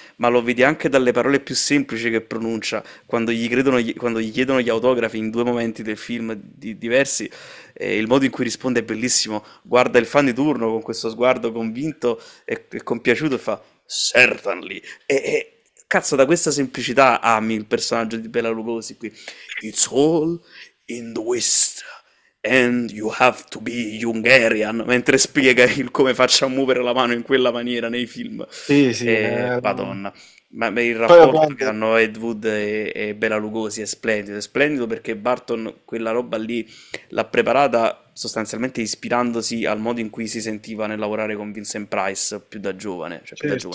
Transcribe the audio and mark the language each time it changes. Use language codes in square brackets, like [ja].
[it] Ma lo vedi anche dalle parole più semplici che pronuncia quando gli credono, quando gli chiedono gli autografi in due momenti del film diversi. Il modo in cui risponde è bellissimo. Guarda il fan di turno con questo sguardo convinto e compiaciuto e fa. [en] Certainly. [it] E cazzo, da questa semplicità ami il personaggio di Bela Lugosi qui. [en] It's all in the West, and you have to be Hungarian. [it] Mentre spiega il come faccia a muovere la mano in quella maniera nei film. Sì, poi Madonna. Ma il rapporto che appunto. hanno Ed Wood e Bela Lugosi è splendido perché Burton quella roba lì l'ha preparata sostanzialmente ispirandosi al modo in cui si sentiva nel lavorare con Vincent Price più da giovane, cioè più da giovane,